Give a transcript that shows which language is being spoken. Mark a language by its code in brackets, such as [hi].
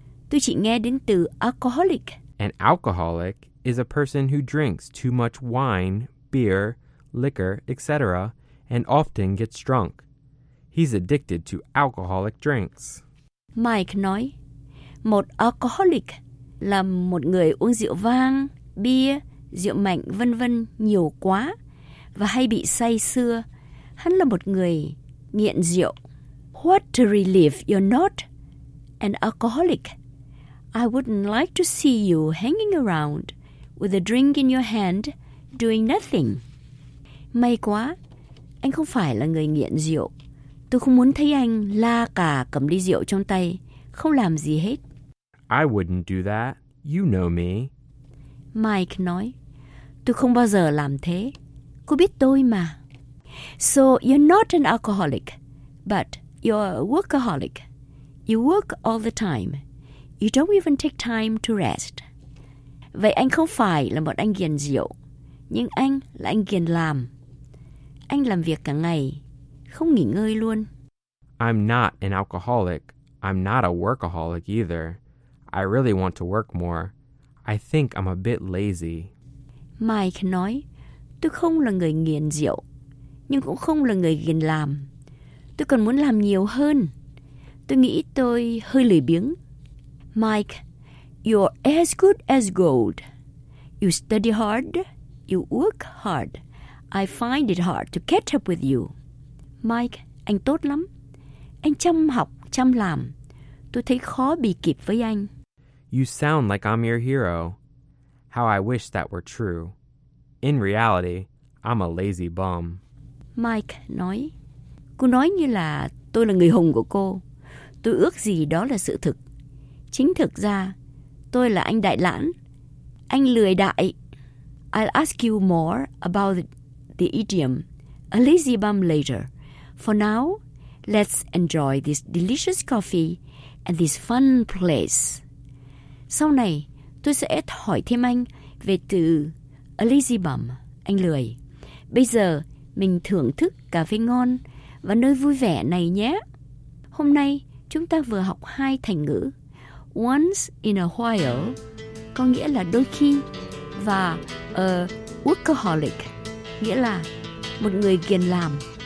[vi] Tôi chỉ nghe đến từ alcoholic. [en] An alcoholic is a person who drinks too much wine, beer, liquor, etc., and often gets drunk. He's addicted to alcoholic drinks. [vi] Mike nói, một alcoholic là một người uống rượu vang, bia, rượu mạnh, vân vân nhiều quá và hay bị say sưa. Hắn là một người nghiện rượu. [en] What a relief you're not an alcoholic. I wouldn't like to see you hanging around with a drink in your hand doing nothing. [vi] May quá, anh không phải là người nghiện rượu. Tôi không muốn thấy anh la cà cầm ly rượu trong tay, không làm gì hết. [en] I wouldn't do that. You know me. [vi] Mike nói, tôi không bao giờ làm thế. Cô biết tôi mà. [en] So you're not an alcoholic, but you're a workaholic. You work all the time. You don't even take time to rest. [vi] Vậy anh không phải là một anh nghiện rượu, nhưng anh là anh nghiện làm. Anh làm việc cả ngày, không nghỉ ngơi luôn. [en] I'm not an alcoholic. I'm not a workaholic either. I really want to work more. I think I'm a bit lazy. [vi] Mike nói, tôi không là người nghiện rượu, nhưng cũng không là người nghiện làm. Tôi còn muốn làm nhiều hơn. Tôi nghĩ tôi hơi lười biếng. [en] Mike, you're as good as gold. You study hard. You work hard. I find it hard to catch up with you. [vi] Mike, anh tốt lắm. Anh chăm học, chăm làm. Tôi thấy khó bị kịp với anh. [en] You sound like I'm your hero. How I wish that were true. In reality, I'm a lazy bum. [vi] Mike nói, cô nói như là tôi là người hùng của cô. Tôi ước gì đó là sự thực. Chính thực ra, tôi là anh đại lãng. Anh lười đại. [en] I'll ask you more about the idiom, a lazy bum, later. For now, let's enjoy this delicious coffee and this fun place. [vi] Sau này, tôi sẽ hỏi thêm anh về từ a lazy bum, anh lười. Bây giờ, mình thưởng thức cà phê ngon và nơi vui vẻ này nhé. Hôm nay, chúng ta vừa học hai thành ngữ. Once in a while, có nghĩa là đôi khi, và a workaholic, nghĩa là một người ghiền làm.